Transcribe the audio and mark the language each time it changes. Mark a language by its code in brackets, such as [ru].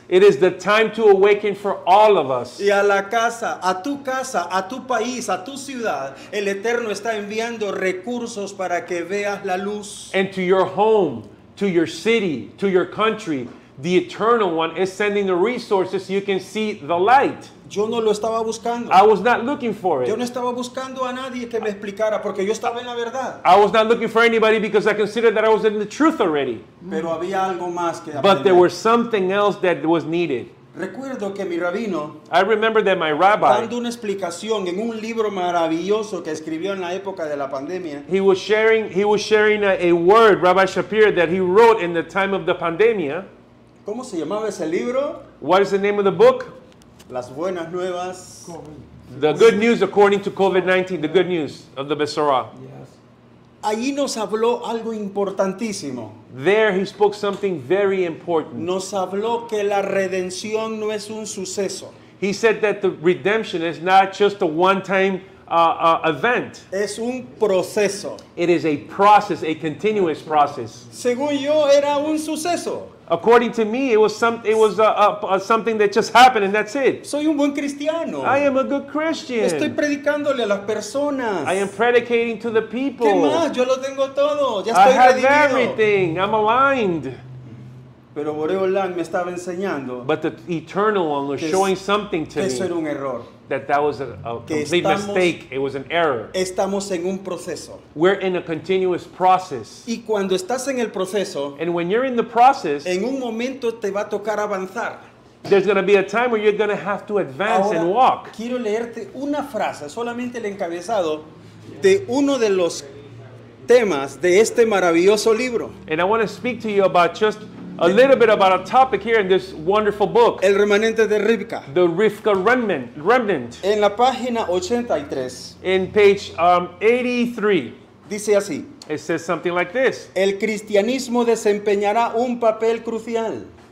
[en] It is the time to awaken for all of us. [es] Y a la casa, a tu casa, a tu país, a tu ciudad, el Eterno está enviando recursos para que veas la luz. [en] And to your home, to your city, to your country, the Eternal One is sending the resources so you can see the light. [es] Yo no lo estaba buscando. [en] I was not looking for it. [es] Yo no estaba buscando a nadie que me explicara porque yo estaba en la verdad. [en] I was not looking for anybody because I considered that I was in the truth already. [es] Pero había algo más que aprender. [en] But there was something else that was needed. [es] Recuerdo que mi rabino, [en] I remember that my rabbi, [es] dando una explicación en un libro maravilloso que escribió en la época de la pandemia. [en] He was sharing a word, Rabbi Shapiro, that he wrote in the time of the pandemia. [es] ¿Cómo se llamaba ese libro? [en] What is the name of the book? [es] Las buenas nuevas. [en] The good news according to COVID-19. The good news of the Besorah. [es] Yes. Allí nos habló algo importantísimo. [en] There he spoke something very important. [es] Nos habló que la redención no es un suceso. [en] He said that the redemption is not just a one-time event. [es] Es un proceso. [en] It is a process, a continuous process. [es] Según yo, era un suceso. [en] According to me, it was something that just happened, and that's it. [es] Soy un buen cristiano. [en] I am a good Christian. [es] Estoy predicándole a las personas. [en] I am predicating to the people. [es] ¿Qué más? Yo lo tengo todo. Ya estoy redimido. [en] I have everything. I'm aligned. [es] Pero Boreo Land me estaba enseñando. [en] But the Eternal One was showing something to me. [es] Que eso era un error. [en] That was a complete mistake. It was an error. [es] Estamos en un proceso. [en] We're in a continuous process. [es] Y cuando estás en el proceso, [en] and when you're in the process, [es] en un momento te va a tocar avanzar. [en] There's going to be a time where you're going to have to advance [es] ahora, [en] and walk. [es] Quiero leerte una frase, solamente el encabezado de uno de los temas de este maravilloso libro. [en] And I want to speak to you about just a little bit about a topic here in this wonderful book. [es] El remanente de Rivka. [en] The Rivka remnant. [es] En la página 83. [en] In page 83. [es] Dice así. [en] It says something like this. [es] El cristianismo desempeñará un papel crucial.